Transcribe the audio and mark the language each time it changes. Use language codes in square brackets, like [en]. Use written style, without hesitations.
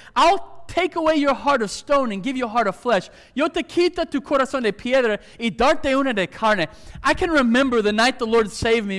[en] I'll take away your heart of stone and give you a heart of flesh. [es] Yo te quito tu corazón de piedra y darte una de carne. [en] I can remember the night the Lord saved me.